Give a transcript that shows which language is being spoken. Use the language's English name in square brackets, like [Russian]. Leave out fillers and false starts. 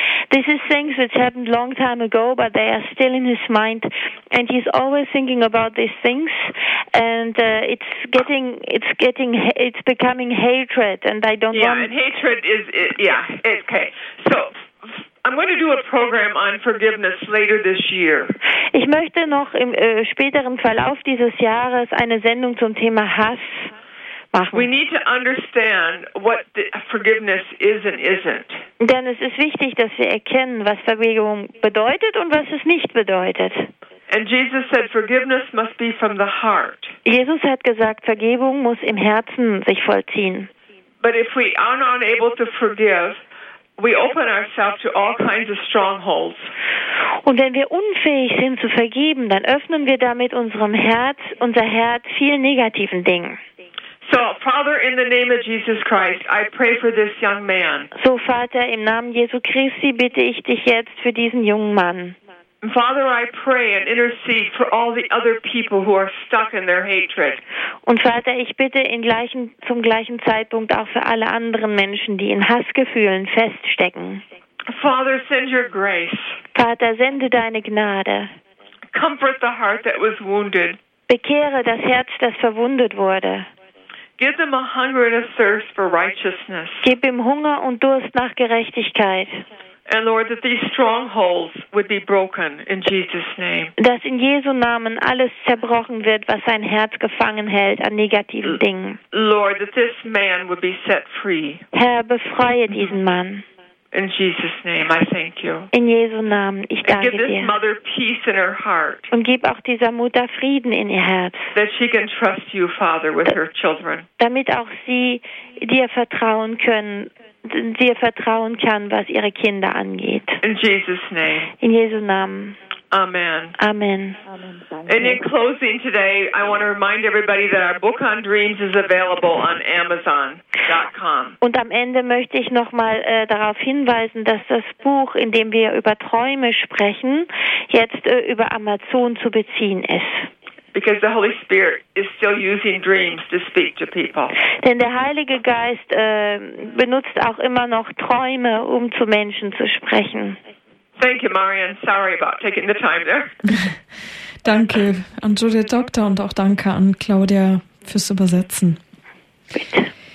[English] This is things which happened long time ago, but they are still in his mind, and he's always thinking about these things, and it's becoming hatred, and I don't want... Yeah, and hatred is... okay. So, I'm going to do a program on forgiveness later this year. [German] Ich möchte noch im späteren Verlauf dieses Jahres eine Sendung zum Thema Hass machen. [English] We need to understand what the forgiveness is and isn't. [German] Denn es ist wichtig, dass wir erkennen, was Vergebung bedeutet und was es nicht bedeutet. [English] And Jesus said, forgiveness must be from the heart. [German] Jesus hat gesagt, Vergebung muss im Herzen sich vollziehen. [English] But if we are not able to forgive, we open ourselves to all kinds of strongholds. [German] Und wenn wir unfähig sind zu vergeben, dann öffnen wir damit unser Herz vielen negativen Dingen. [English] So, Father, in the name of Jesus Christ, I pray for this young man. [German] So, Vater, im Namen Jesu Christi bitte ich dich jetzt für diesen jungen Mann. [English] Father, I pray and intercede for all the other people who are stuck in their hatred. [German] Und Vater, ich bitte zum gleichen Zeitpunkt auch für alle anderen Menschen, die in Hassgefühlen feststecken. [English] Father, send your grace. [German] Vater, sende deine Gnade. [English] Comfort the heart that was wounded. [German] Bekehre das Herz, das verwundet wurde. [English] Give them a hunger and a thirst for righteousness. [German] Gib ihm Hunger und Durst nach Gerechtigkeit. [English] And Lord, that these strongholds would be broken in Jesus' name. [German] Dass in Jesu Namen alles zerbrochen wird, was sein Herz gefangen hält an negativen Dingen. [English] Lord, that this man would be set free. [German] Herr, befreie diesen Mann. [English] In Jesus' name, I thank you. [German] In Jesu Namen, ich danke dir. [English] And give this mother peace in her heart. [German] Und gib auch dieser Mutter Frieden in ihr Herz. [English] That she can trust you, Father, with her children. [German] Damit auch sie dir vertrauen können. Dir vertrauen kann, was ihre Kinder angeht. [English] In Jesus' name. [German] In Jesu Namen. [English] Amen. [German] Amen. [English] And in closing today, I want to remind everybody that our book on dreams is available on Amazon.com. [German] Und am Ende möchte ich nochmal darauf hinweisen, dass das Buch, in dem wir über Träume sprechen, jetzt über Amazon zu beziehen ist. [English] Because the Holy Spirit is still using dreams to speak to people. [German] Denn der Heilige Geist benutzt auch immer noch Träume, um zu Menschen zu sprechen. [English] Thank you, Marianne. Sorry about taking the time there. [German] Danke an Judith Doktor und auch danke an Claudia fürs Übersetzen. Bitte.